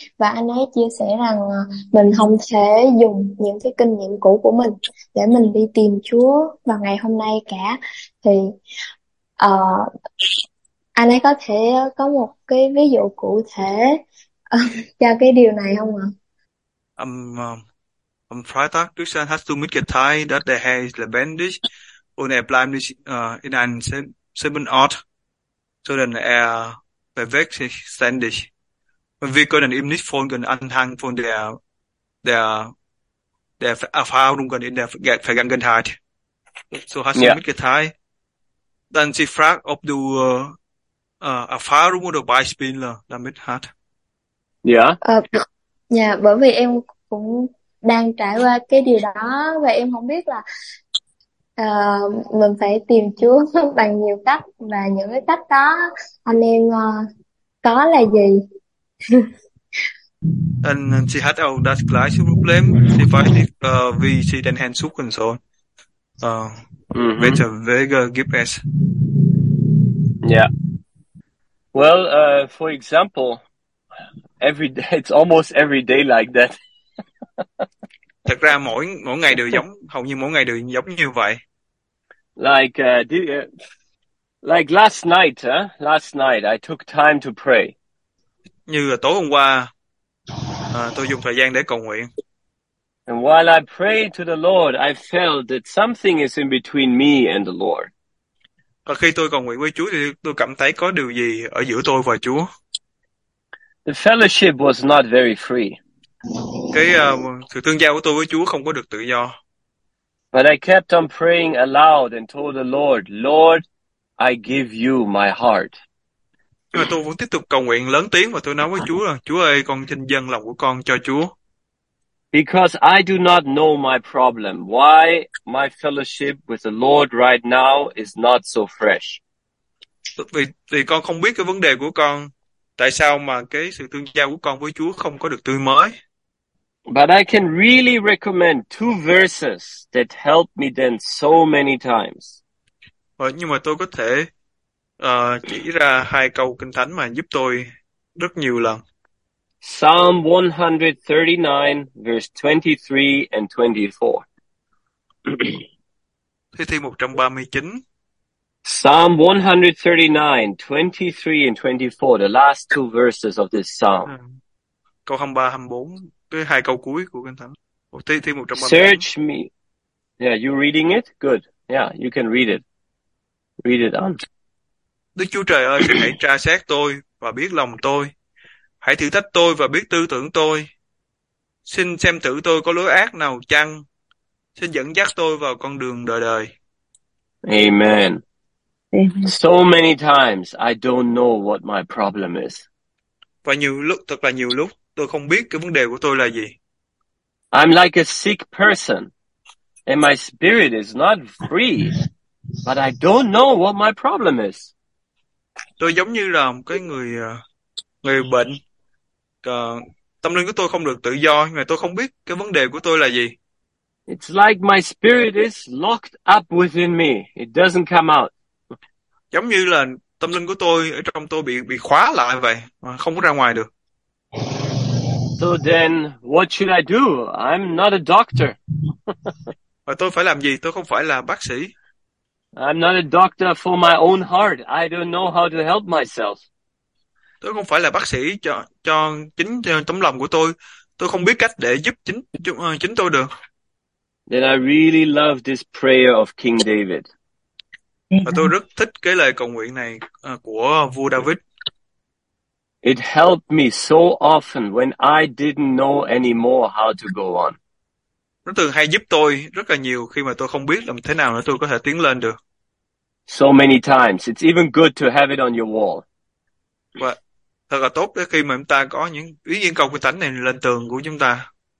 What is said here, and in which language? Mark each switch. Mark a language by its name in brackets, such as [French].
[Vietnamese] Và anh ấy chia sẻ rằng mình không thể dùng những cái kinh nghiệm cũ của mình để mình đi tìm Chúa vào ngày hôm nay cả. Thì anh ấy có thể có một cái ví dụ cụ thể cho cái điều này không ạ? [German] Am Freitag Christian hast du mitgeteilt, dass der Herr ist lebendig und bleibt nicht in einem selben Ort, sondern bewegt sich ständig. Wir können ihm nicht folgen anhand von der Erfahrungen in der Vergangenheit. So hast du mitgeteilt. Dann sie fragt, ob du Erfahrung oder Beispiele damit hat. Ja. [Vietnamese] Dạ, bởi vì em cũng đang trải qua cái điều đó và em không biết là mình phải tìm Chúa bằng nhiều cách, và những cái cách đó anh em có là gì? [German] Und sie hat auch das gleiche Problem. Sie weiß nicht, wie sie den Herrn suchen soll. Welche Wege gibt es? [English] Yeah. Well, for example, it's almost every day like that. [Vietnamese] Thật ra mỗi ngày đều giống, hầu như mỗi ngày đều giống như vậy. [English] Like last night, huh? Last night I took time to pray. [Vietnamese] Như tối hôm qua, tôi dùng thời gian để cầu nguyện. [English] And while I prayed to the Lord, I felt that something is in between me and the Lord. [Vietnamese] Và khi tôi cầu nguyện với Chúa thì tôi cảm thấy có điều gì ở giữa tôi và Chúa. [English] The fellowship was not very free. [Vietnamese] Cái sự tương giao của tôi với Chúa không có được tự do. [English] But I kept on praying aloud and told the Lord, Lord, I give you my heart. [Vietnamese] Nhưng mà tôi vẫn tiếp tục cầu nguyện lớn tiếng và tôi nói với Chúa là, Chúa ơi, con xin dâng lòng của con cho Chúa. [English] Because I do not know my problem. Why my fellowship with the Lord right now is not so fresh. [Vietnamese] Vì con không biết cái vấn đề của con. Tại sao mà cái sự tương giao của con với Chúa không có được tươi mới? [English] But I can really recommend two verses that helped me then so many times. [Vietnamese] Nhưng mà tôi có thể chỉ ra hai câu kinh thánh mà giúp tôi rất nhiều lần. [English] Psalm 139, verse 23 and 24. [Vietnamese] Thi Thiên 139. [English] Psalm 139, 23 and 24, the last two verses of this psalm. [Vietnamese] Câu 23, 24, cái hai câu cuối của kinh thánh. Thi Thiên 139. [English] Search me. Yeah, you reading it? Good. Yeah, you can read it. Read it on. [Vietnamese] Đức Chúa Trời ơi, xin hãy tra xét tôi và biết lòng tôi. Hãy thử thách tôi và biết tư tưởng tôi. Xin xem thử tôi có lối ác nào chăng. Xin dẫn dắt tôi vào con đường đời đời. Amen. [English] So many times I don't know what my problem is. [Vietnamese] Và nhiều lúc, thật là nhiều lúc, tôi không biết cái vấn đề của tôi là gì. [English] I'm like a sick person and my spirit is not free, but I don't know what my problem is. [Vietnamese] Tôi giống như là một cái người bệnh, tâm linh của tôi không được tự do, nhưng mà tôi không biết cái vấn đề của tôi là gì. [English] It's like my spirit is locked up within me. It doesn't come out. [Vietnamese] Giống như là tâm linh của tôi ở trong tôi bị khóa lại vậy, mà không có ra ngoài được. [English] So then, what should I do? I'm not a doctor. [Vietnamese] Và tôi phải làm gì? Tôi không phải là bác sĩ. [English] I'm not a doctor for my own heart. I don't know how to help myself. [Vietnamese] Tôi không phải là bác sĩ cho chính tấm lòng của tôi. Tôi không biết cách để giúp chính tôi được. [English] Then I really love this prayer of King David. [Vietnamese] Và tôi rất thích cái lời cầu nguyện này của vua David. [English] It helped me so often when I didn't know anymore how to go on. [Vietnamese] Nó thường hay giúp tôi rất là nhiều khi mà tôi không biết làm thế nào để tôi có thể tiến lên được. [English] So many times, it's even good to have it on your wall. [Vietnamese] Và thật là tốt khi mà chúng ta có những ý nghĩa cầu nguyện thánh này lên tường của chúng ta.